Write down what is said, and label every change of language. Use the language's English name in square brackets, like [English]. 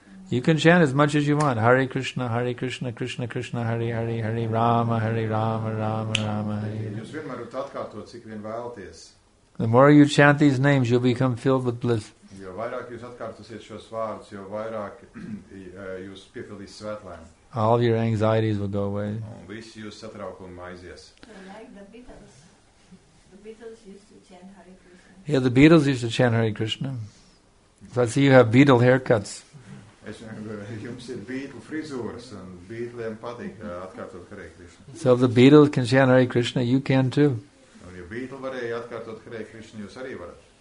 [English] You can chant as much as you want. [Sanskrit] Hare Krishna, Hare Krishna, Krishna Krishna, Hare Hare, Hare Rama, Hare Rama, Rama Rama, Rama, Rama, Rama. [English] The more you chant these names, you'll become filled with bliss. [Latvian] Jo vairāk jūs atkārtosiet šos vārdus, jo vairāk jūs piepildīs svētlēm. [English] All your anxieties will go away. [Latvian] Un visi jūs satraukumi aizies. [English] Like the Beatles. The Beatles used to chant Hare Krishna. Yeah, the Beatles used to chant Hare Krishna. So I see you have Beatle haircuts. [Latvian] Es jums ir Beatle frizūras, un Beatlēm patīk atkārtot Hare Krishna. [English] So if the Beatles can chant Hare Krishna, you can too. [Latvian] Un ja Beatle varēja atkārtot Hare Krishna, jūs arī varat.